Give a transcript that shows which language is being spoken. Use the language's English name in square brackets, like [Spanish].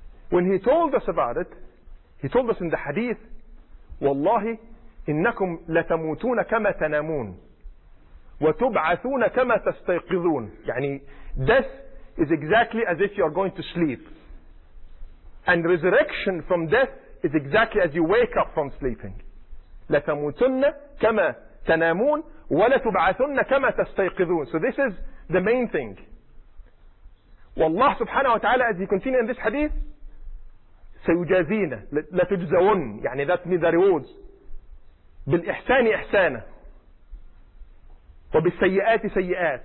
[English] When he told us about it, he told us in the hadith, [Arabic] وَاللَّهِ إِنَّكُمْ لَتَمُوتُونَ كَمَا تَنَامُونَ وَتُبْعَثُونَ كَمَا تَسْتَيْقِظُونَ. [English] يعني death is exactly as if you are going to sleep, and resurrection from death is exactly as you wake up from sleeping. [Arabic] لَتَمُوتُنَّ كَمَا تنامون ولتبعثن كما تستيقظون. [English] So this is the main thing. والله سبحانه وتعالى, as he continues in this hadith, [Arabic] سيجازين لتجزون, [English] يعني that means the rewards, [Arabic] بالإحسان إحسانا وبالسيئات سيئات.